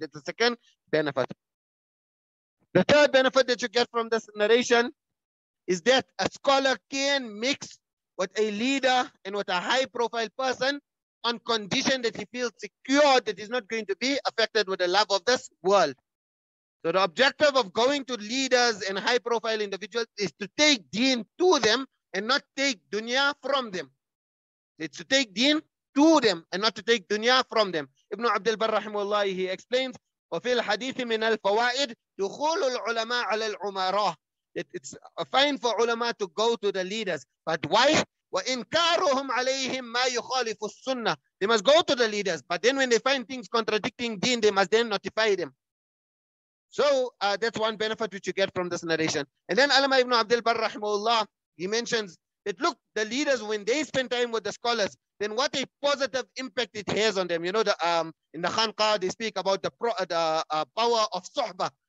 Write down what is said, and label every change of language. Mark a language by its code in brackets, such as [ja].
[en] That's the second benefit. The third benefit that you get from this narration is that a scholar can mix with a leader and with a high profile person on condition that he feels secure that he's not going to be affected with the love of this world. So the objective of going to leaders and high profile individuals is to take deen to them and not take dunya from them. It's to take deen to them and not to take dunya from them. Ibn Abdul Barr rahimahullah, he explains, [ar] وَفِي الْحَدِيثِ مِنَ الْفَوَائِدِ دُخُولُ الْعُلَمَاءَ عَلَى الْعُمَرَاءِ. [en] It's fine for ulama to go to the leaders, but why? [ar] وَإِنْكَارُهُمْ عَلَيْهِمْ مَا يُخَالِفُ السُّنَّةِ. [en] They must go to the leaders, but then when they find things contradicting deen, they must then notify them. So that's one benefit which you get from this narration. And then Alama ibn Abdul Barr rahimahullah, he mentions that look, the leaders, when they spend time with the scholars, then what a positive impact it has on them. You know, the in the Khanqa, they speak about the power of suhbah.